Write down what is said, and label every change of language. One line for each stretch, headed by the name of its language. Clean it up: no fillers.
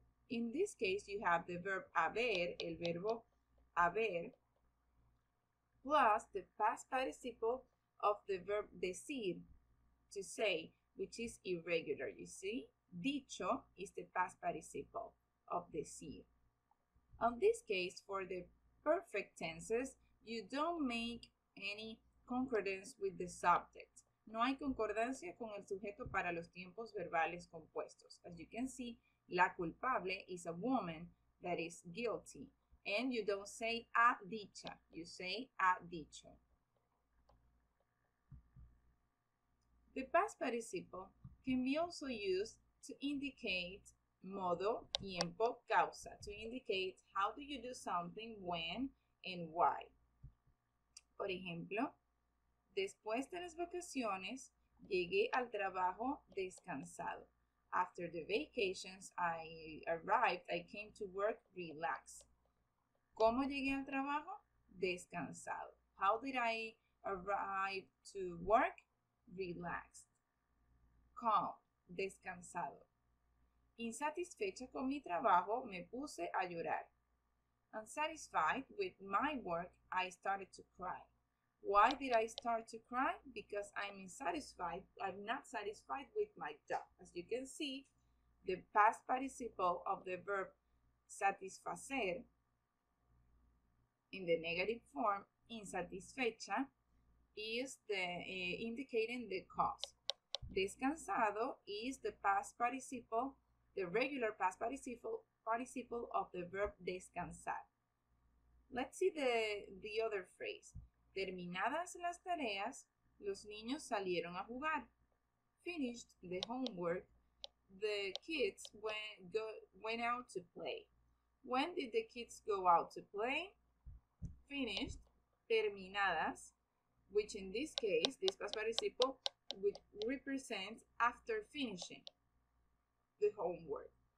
English: In this case, you have the verb haber,
Spanish: el verbo haber,
English: plus the past participle of the verb decir, to say, which is irregular, you see? Dicho is the past participle of decir. In this case, for the perfect tenses, you don't make any concordance with the subject.
Spanish: No hay concordancia con el sujeto para los tiempos verbales compuestos.
English: As you can see, la culpable is a woman that is guilty. And you don't say ha dicha, you say ha dicho. The past participle can be also used to indicate modo, tiempo, causa, to indicate how do you do something, when, and why.
Spanish: Por ejemplo, después de las vacaciones, llegué al trabajo descansado.
English: After the vacations, I came to work relaxed.
Spanish: ¿Cómo llegué al trabajo? Descansado.
English: How did I arrive to work? Relaxed. Calm. Descansado.
Spanish: Insatisfecha con mi trabajo, me puse a llorar.
English: Unsatisfied with my work, I started to cry. Why did I start to cry? Because I'm not satisfied with my job. As you can see, the past participle of the verb satisfacer in the negative form, insatisfecha, is the indicating the cause. Descansado is the past participle, the regular past participle of the verb descansar. Let's see the other phrase.
Spanish: Terminadas las tareas, los niños salieron a jugar.
English: Finished the homework, the kids went out to play. When did the kids go out to play? Finished, terminadas, which in this case, this past participle, would represent after finishing the homework.